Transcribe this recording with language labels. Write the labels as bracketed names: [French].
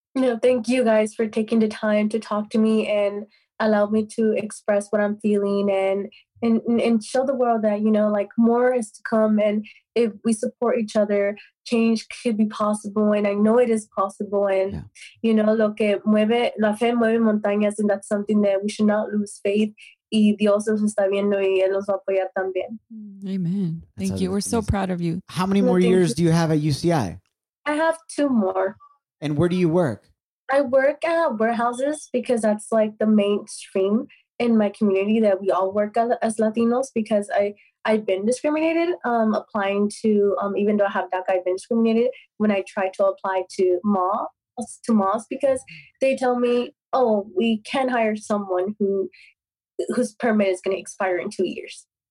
[English] No, thank you guys for taking the time to talk to me and allow me to express what I'm feeling and show the world that, you know, like, more is to come. And if we support each other, change could be possible. And I know it is possible. And, yeah, you know, [Spanish] lo que mueve, la fe mueve montañas. [English] And that's something that we should not lose faith. [Spanish] Y Dios nos está viendo y él nos va a apoyar también. [English] Amen. Thank you. We're so proud of you. How many more years do you have at UCI? I have 2 more. And where do you work? I work at warehouses because that's like the mainstream in my community that we all work as Latinos, because I've been discriminated applying to, even though I have DACA, I've been discriminated when I try to apply to malls because they tell me, oh, we can't hire someone whose permit is going to expire in 2 years.